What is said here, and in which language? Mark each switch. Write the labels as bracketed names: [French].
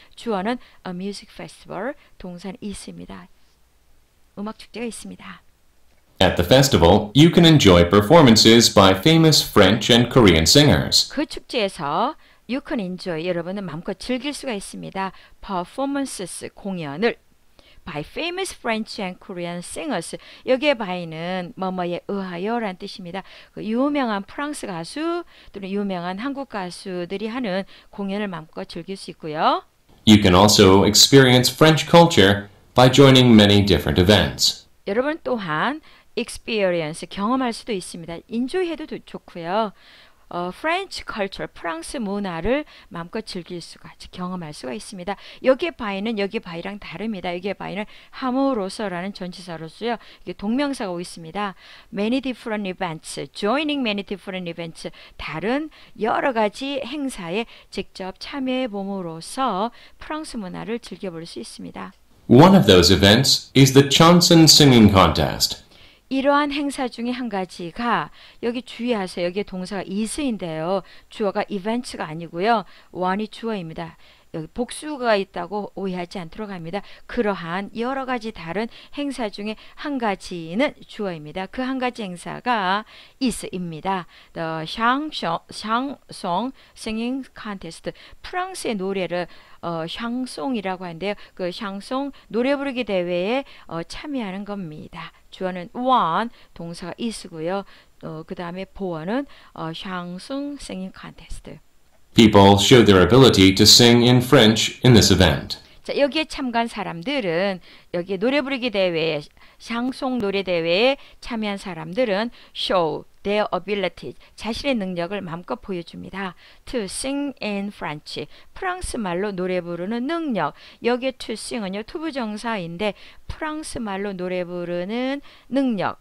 [Korean] 주어는 a music festival. 동사는 있습니다. 음악 축제가 있습니다. [English] At the festival, you can enjoy performances by famous French and Korean singers. [Korean] 그 축제에서 [English] You can enjoy, [Korean] 여러분은 마음껏 즐길 수가 있습니다. Performances, 공연을 [English] By famous French and Korean singers [Korean] 여기에 by는 뭐뭐에 의하여 라는 뜻입니다. 그 유명한 프랑스 가수 또는 유명한 한국 가수들이 하는 공연을 마음껏 즐길 수 있고요. [English] You can also experience French culture by joining many different events. [Korean] 여러분 또한 experience, 경험할 수도 있습니다. Enjoy 해도 좋고요. French culture, 프랑스 문화를 마음껏 즐길 수가, 경험할 수가 있습니다. 여기 by는 여기 by랑 다릅니다. 여기 by는 함으로써라는 전치사로서요. 이게 동명사가 오고 있습니다. [English] Many different events, joining many different events, [Korean] 다른 여러 가지 행사에 직접 참여해 봄으로써 프랑스 문화를 즐겨볼 수 있습니다. [English] One of those events is the Chanson Singing Contest. [Korean] 이러한 행사 중에 한 가지가 여기 주의하세요. 여기에 동사가 is인데요. 주어가 events가 아니고요. one이 주어입니다. 여기 복수가 있다고 오해하지 않도록 합니다. 그러한 여러 가지 다른 행사 중에 한 가지는 주어입니다. 그 한 가지 행사가 is입니다. [English] The Chanson Singing Contest. [Korean] 프랑스의 노래를 샹송이라고 하는데요. 그 샹송 노래 부르기 대회에 참여하는 겁니다. 주어는 one, 동사가 is고요. 그 다음에 보어는 샹송 singing contest. [English] People show their ability to sing in French in this event. [Korean] 자, 여기에 참가한 사람들은 여기 노래 부르기 대회에 샹송 노래 대회에 참여한 사람들은 [English] show their ability, [Korean] 자신의 능력을 마음껏 보여줍니다. [English] To sing in French, [Korean] 프랑스 말로 노래 부르는 능력. 여기에 to sing은요, 투부정사인데 프랑스 말로 노래 부르는 능력.